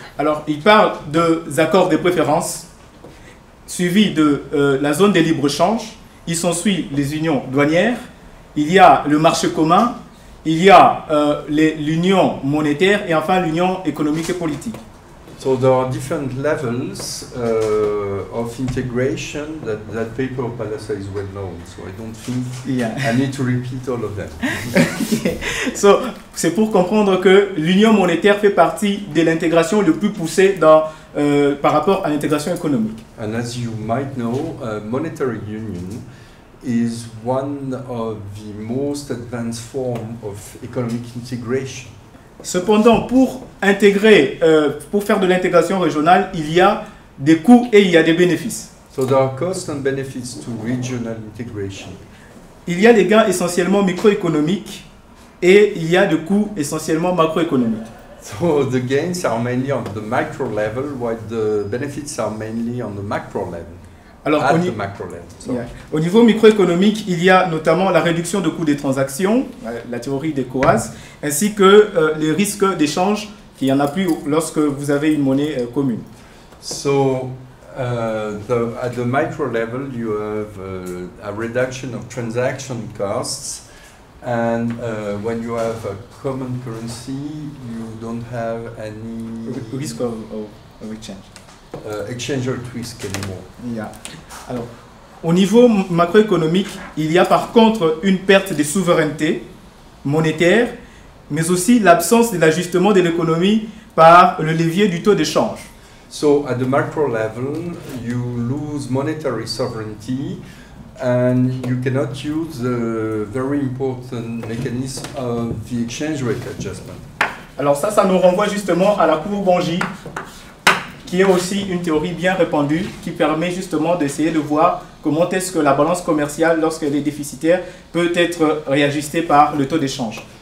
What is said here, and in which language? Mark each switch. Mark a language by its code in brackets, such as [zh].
[fr] Alors, il parle de accords de préférence suivis de la zone de libre-échange. Il s'ensuit les unions douanières, il y a le marché commun, il y a l'union monétaire et enfin l'union économique et politique. [en] So there are different levels of integration that that paper of Balassa is well known. So I don't think I need to repeat all of them. [fr] So c'est pour comprendre que l'union monétaire fait partie de l'intégration le plus poussée dans par rapport à l'intégration économique. [en] And as you might know, monetary union is one of the most advanced forms of economic integration. [fr] Cependant, pour intégrer, pour faire de l'intégration régionale, il y a des coûts et il y a des bénéfices. [en] So there are costs and benefits to regional integration. [fr] Il y a des gains essentiellement microéconomiques et il y a des coûts essentiellement macroéconomiques. [en] So the gains are mainly on the micro level, while the benefits are mainly on the macro level. [fr] Alors, au niveau microéconomique, il y a notamment la réduction de coûts des transactions, la théorie des COAS, ainsi que les risques d'échange qu'il n'y en a plus lorsque vous avez une monnaie commune. [en] So, at the micro level, you have a reduction of transaction costs, and when you have a common currency, you don't have any risk of exchange. Exchange rate risk anymore. Yeah. [fr] Alors, au niveau macroéconomique, il y a par contre une perte de souveraineté monétaire, mais aussi l'absence de l'ajustement de l'économie par le levier du taux d'échange. [en] So at the macro level, you lose monetary sovereignty and you cannot use the very important mechanism of the exchange rate adjustment. [fr] Alors ça nous renvoie justement à la courbe Bongi, qui est aussi une théorie bien répandue qui permet justement d'essayer de voir comment est-ce que la balance commerciale, lorsqu'elle est déficitaire, peut être réajustée par le taux d'échange.